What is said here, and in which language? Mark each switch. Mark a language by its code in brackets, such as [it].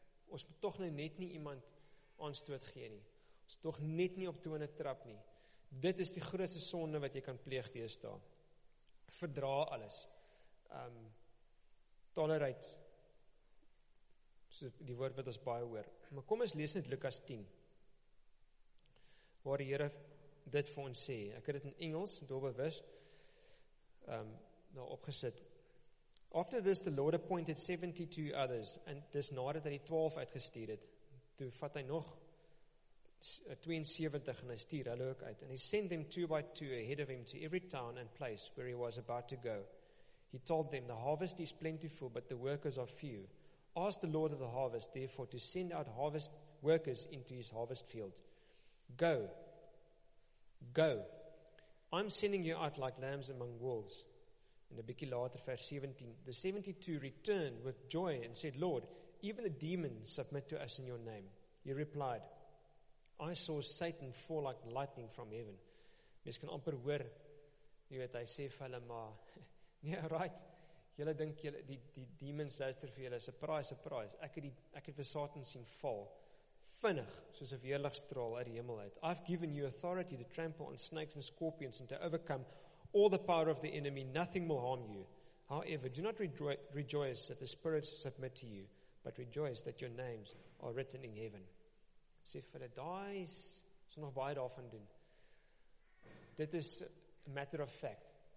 [af] Ons moet toch nou net nie iemand aanstoot gee nie. Ons toch net nie op tone trap nie. Dit is die grootste sonde wat jy kan pleeg deesdae. Verdra alles. Tolerate. So die woord wat ons baie hoor. Maar kom ons lees net Lukas 10. Waar die Here dit vir ons sê. Ek het dit in Engels, doelbewus, daar opgesit. [en] After this, the Lord appointed 72 others, and [af] dis nadat hy 12 uitgestuur het, toe vat hy nog 72, en hy stuur hulle ook uit, [en] and he sent them 2 by 2 ahead of him to every town and place where he was about to go. He told them, the harvest is plentiful, but the workers are few. Ask the Lord of the harvest, therefore, to send out harvest workers into his harvest field. Go, I'm sending you out like lambs among wolves. In a bietjie later, verse 17, the 72 returned with joy and said, Lord, even the demons submit to us in your name. He replied, I saw Satan fall like lightning from heaven. [af] Mens kan amper hoor, jy weet, hy sê vir hulle, maar, nee, right, jylle dink, jylle, die demons luister vir jylle, surprise, ek het vir Satan sien val, vinnig, soos 'n weerligstraal uit die hemel uit. [en] I've given you authority to trample on snakes and scorpions and to overcome all the power of the enemy, nothing will harm you. However, do not rejoice that the spirits submit to you, but rejoice that your names are written in heaven. [af] Sê vir die dies, so nog baie daarvan doen. Dit is [en] a matter of fact.